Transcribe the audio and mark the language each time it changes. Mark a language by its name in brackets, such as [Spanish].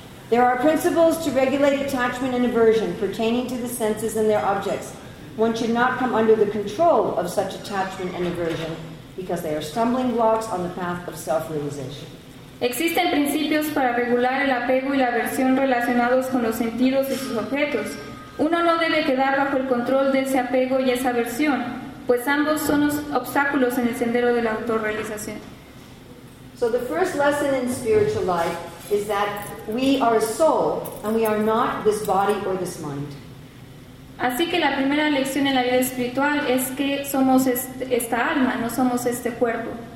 [English] There are principles to regulate attachment and aversion pertaining to the senses and their objects. One should not come under the control of such attachment and aversion because they are stumbling blocks on the path of self-realization. [Spanish] Existen principios para regular el apego y la aversión relacionados con los sentidos y sus objetos. Uno no debe quedar bajo el control de ese apego y esa aversión, pues ambos son los obstáculos en el sendero de la autorrealización. [English] So the first lesson in spiritual life is that we are a soul and we are not this body or this mind. [Spanish] Así que la primera lección en la vida espiritual es que somos esta alma, no somos este cuerpo.